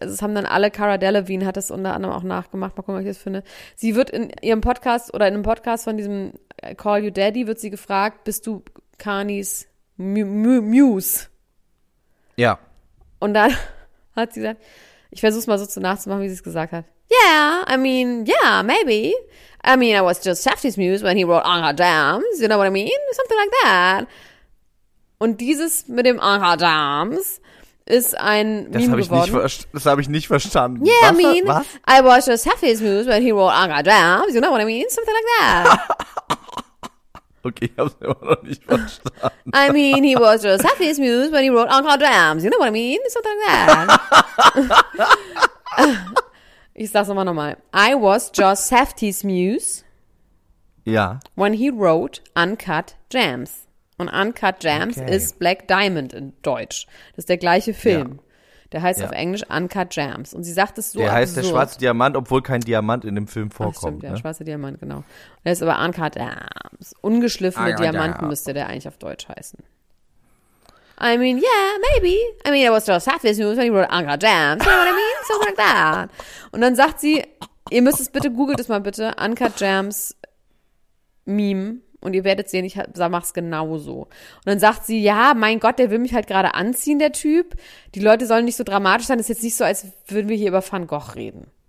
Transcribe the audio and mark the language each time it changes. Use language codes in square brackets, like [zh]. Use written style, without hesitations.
[de] Also es haben dann alle, Cara Delevingne hat das unter anderem auch nachgemacht. Mal gucken, was ich das finde. Sie wird in ihrem Podcast oder in einem Podcast von diesem Call You Daddy wird sie gefragt, bist du Kanis Muse? Ja. Und dann hat sie gesagt, ich versuch's mal so zu nachzumachen, wie sie es gesagt hat. [en] Yeah, I mean, yeah, maybe. I mean, I was just Shafty's muse when he wrote Anka Jams, you know what I mean? Something like that. [de] Und dieses mit dem Anka Jams ist ein Meme Das habe ich nicht verstanden. [en] Yeah, [de] was? [en] I mean, I was just Shafty's muse when he wrote Anka Jams, you know what I mean? Something like that. [de] Okay, ich habe es immer noch nicht verstanden. [en] I mean, he was just Shafty's muse when he wrote Anka Jams, you know what I mean? Something like that. [de] Ich sag's nochmal. [en] I was Joss Safdie's muse. [de] Ja. [en] When he wrote Uncut Jams. [de] Und Uncut Jams ist Black Diamond in Deutsch. Das ist der gleiche Film. Ja. Der heißt auf Englisch Uncut Jams. Und sie sagt es so der absurd. Der heißt der schwarze Diamant, obwohl kein Diamant in dem Film vorkommt. Ach, stimmt, ne? Der schwarze Diamant, genau. Der ist aber Uncut Jams. Ungeschliffene Diamanten müsste der eigentlich auf Deutsch heißen. [en] I mean, yeah, maybe. I mean, it was just half his news when he wrote Anka Jams. You know what I mean? Something like that. [de] Und dann sagt sie, ihr müsst es bitte, googelt es mal bitte, Anka Jams Meme. Und ihr werdet sehen, ich mach's genauso. Und dann sagt sie, ja, mein Gott, der will mich halt gerade anziehen, der Typ. Die Leute sollen nicht so dramatisch sein. Das ist jetzt nicht so, als würden wir hier über Van Gogh reden.